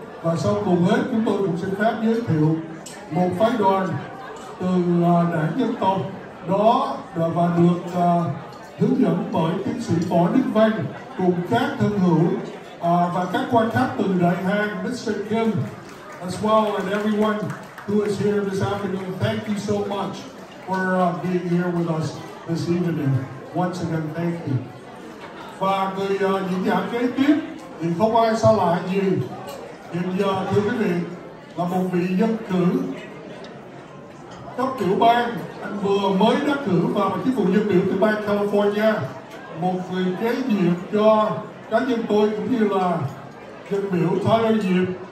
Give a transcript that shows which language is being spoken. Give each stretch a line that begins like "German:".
Vietnamese: Và sau cùng hết, chúng tôi cũng xin phép giới thiệu một phái đoàn từ Đảng Dân Tộc đó, và được hướng dẫn bởi tiến sĩ Võ Đức Văn cùng các thân hữu và các quan khách từ Đại Hàn, Mr.
English: Kim, as well, and everyone who is here this afternoon. Thank you so much for being here with us this evening. Once again, thank you.
Vietnamese: Và người diễn giả kế tiếp thì không ai xa lạ gì. Hiện giờ thưa quý vị là một vị nhân cử cấp tiểu bang, anh vừa mới đắc cử vào chức vụ dân biểu tiểu bang California, một người kế nhiệm cho cá nhân tôi cũng như là dân biểu Thái Lan Diệp.